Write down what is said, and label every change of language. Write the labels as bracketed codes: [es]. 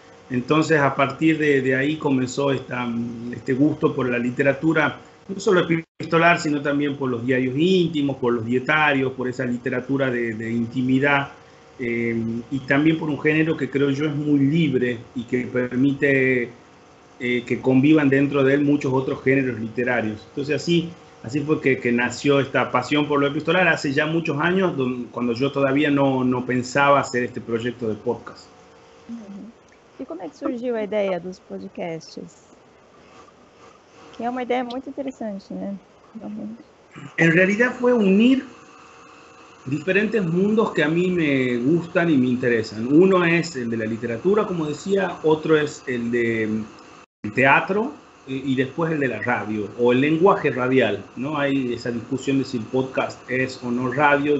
[es] Entonces, a partir de ahí comenzó este gusto por la literatura, no solo epistolar, sino también por los diarios íntimos, por los dietarios, por esa literatura de intimidad, y también por un género que creo yo es muy libre y que permite que convivan dentro de él muchos otros géneros literarios. Entonces, así fue que nació esta pasión por lo epistolar hace ya muchos años, cuando yo todavía no pensaba hacer este proyecto de podcast. [pt] E como é que surgiu a ideia dos podcasts? Que é uma ideia muito interessante, né? Realmente. [es] En realidad fue unir diferentes mundos que a mí me gustan y me interesan. Uno es el de la literatura, como decía, otro es el de el teatro y después el de la radio o el lenguaje radial, ¿no? Hay esa discusión de si el podcast es o no radio.